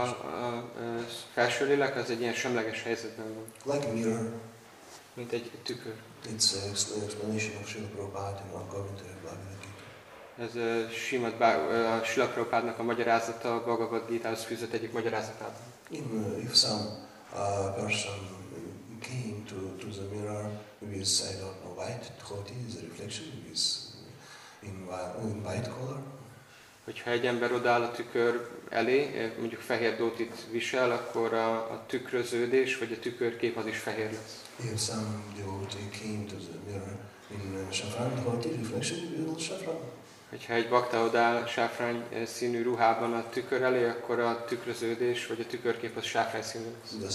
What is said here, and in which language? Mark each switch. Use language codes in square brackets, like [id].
[hu] A felső lélek az egy ilyen semleges helyzetben van. [en] Like a mirror. [hu] Mint egy tükör. [en] It's an explanation of Srila Prabhupada in our commentary Bhagavad Gita. [hu] Ez Srimad Srila Prabhupádnak a magyarázata a Bhagavad Gita-hoz fűzött egyik magyarázatát. [en] If some person came to the mirror, maybe his side of a white dhoti, the reflection is in white color. [hu] Hogyha egy ember odáll a tükör elé, mondjuk fehér dótit visel, akkor a tükröződés vagy a tükörkép az is fehér lesz. [en] If some devotee came to the mirror in saffron dhoti, reflection will be saffron. [hu] Hogyha egy bakta odáll sáfrány színű ruhában a tükör elé, akkor a tükröződés vagy a tükörkép az sáfrány színű lesz.